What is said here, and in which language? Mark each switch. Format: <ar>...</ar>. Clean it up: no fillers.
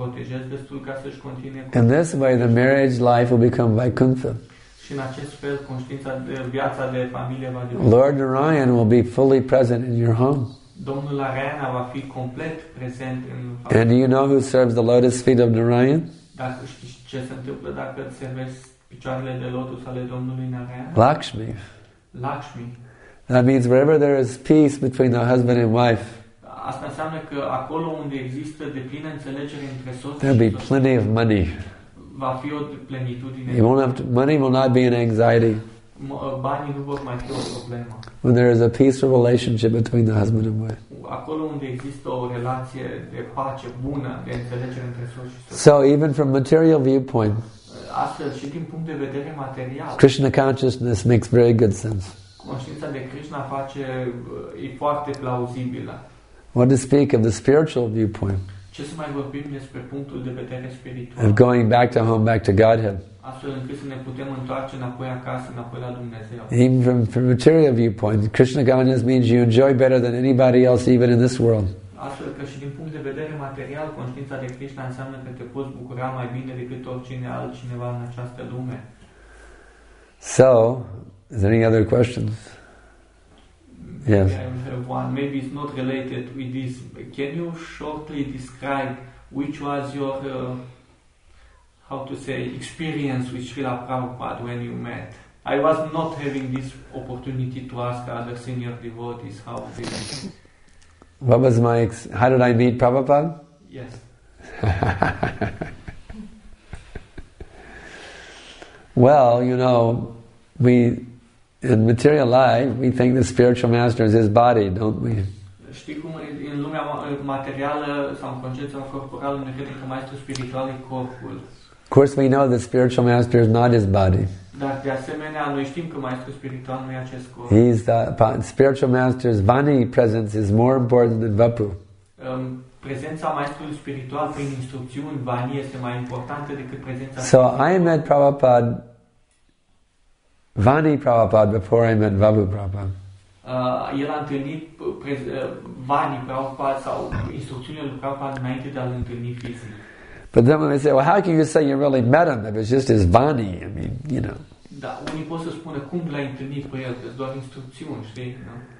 <en>In this way, the marriage life will become Vaikuntha. Lord Narayan will be fully present in your home.</en> <ro>Domnul Arayana va fi complet prezent în familie.</ro> <en>And do you know who serves the lotus feet of Narayan?</en> <ro>Dacă știi ce se întâmplă dacă servești picioarele de lotus ale Domnului Narayana?</ro> <en>Lakshmi. That means wherever there is peace between the husband and wife.</en> <ro>Asta înseamnă că acolo unde există deplină înțelegere între soț.</ro> <en>There'll be plenty of money.</en> <ro>Va fi o plenitudine.</ro> <en>Money will not be an anxiety.</en> <ro>banii nu vor mai fi o problemă.</ro> <en>When there is a peaceful relationship between the husband and wife.</en> <ro>Acolo unde există o relație de pace bună, de înțelegere între soț și soție.</ro> <en>So even from material viewpoint.</en> <ro>Astfel, și din punct de vedere material.</ro> <en>Krishna consciousness makes very good sense.</en> <ro>Conștiința de Krishna face e foarte plauzibilă.</ro> <en>What to speak of the spiritual viewpoint?</en> <ro>Ce să mai vorbim despre punctul de vedere spiritual?</ro> <en>Of going back to home, back to Godhead.</en> <ro>Astfel încât să ne putem întoarce înapoi acasă, înapoi la Dumnezeu.</ro> <en>Even from material viewpoint, Krishna consciousness means you enjoy better than anybody else, even in this world.</en> <ro>Astfel că și din punct de vedere material, conștiința de Krishna înseamnă că te poți bucura mai bine decât oricine altcineva în această lume.</ro> <en>So, is there any other questions? Yes. One, maybe it's not related with this. Can you shortly describe which was your, how to say, experience with Srila Prabhupada when you met? I was not having this opportunity to ask other senior devotees how they met. What was my, how did I meet Prabhupada? Yes. Well, you know, we, in material life, we think the spiritual master is his body, don't we?</en> <ro>Știi cum în lumea materială sau în conștiința corporală ne credem că maestrul spiritual e corpul.</ro> <en>Of course we know the spiritual master is not his body.</en> <ro>Dar de asemenea noi știm că maestrul spiritual nu e acest corp.</ro> <en>He's the spiritual master's vani presence is more important than vapu.</en> <ro>Prezența maestrului spiritual prin instrucțiuni vani este mai importantă decât prezența.</ro> <en>So I met Prabhupada Vani Prabhupada before I met Vabhu Prabhupada.</en> <ro>El a întâlnit Vani Prabhupada sau instrucțiunile lui Prabhupada înainte de a-l întâlni fizic.</ro> <en>But then when they say, well, how can you say you really met him if it's just his Vani? I mean, you know.</en> <ro>Da, unii pot să spună cum l-ai întâlnit pe el, doar instrucțiuni, știi, nu?</ro>